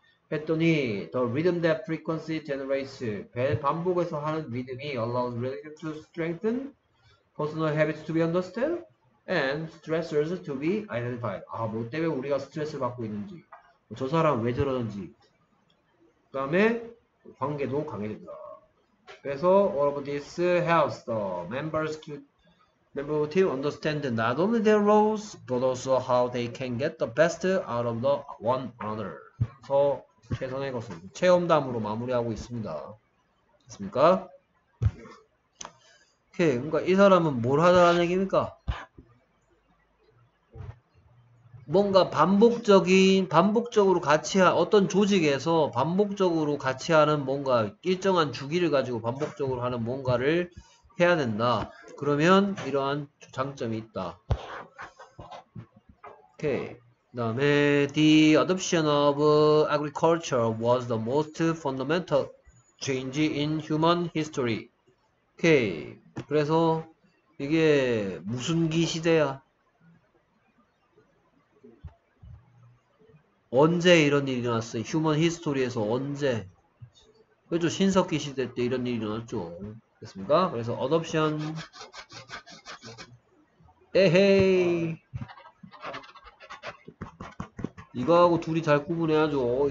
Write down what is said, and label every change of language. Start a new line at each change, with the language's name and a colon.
Korean: 했더니
English: the rhythm that frequency generates
Korean: 반복해서 하는 리듬이
English: allows relationship to strengthen, personal habits to be understood. And stressors to be identified.
Korean: 아, 뭐 때문에 우리가 스트레스를 받고 있는지, 뭐저 사람 왜 저러는지, 그 다음에 관계도 강해진다. 그래서
English: all of this helps the member team understand not only their roles, but also how they can get the best out of the one another.
Korean: 그래서 최선의 것은 체험담으로 마무리하고 있습니다. 됐습니까? 오케이, 그러니까 이 사람은 뭘 하자는 얘기입니까? 뭔가 반복적으로 같이 어떤 조직에서 반복적으로 같이 하는 뭔가 일정한 주기를 가지고 반복적으로 하는 뭔가를 해야 된다. 그러면 이러한 장점이 있다. 오케이. 그다음에
English: the adoption of agriculture was the most fundamental change in human history.
Korean: 오케이. 그래서 이게 무슨 기 시대야? 언제 이런 일이 일어났어요? 휴먼 히스토리에서 언제? 그렇죠. 신석기 시대 때 이런 일이 일어났죠. 됐습니까? 그래서 어덥션 에헤이 이거하고 둘이 잘 구분해야죠.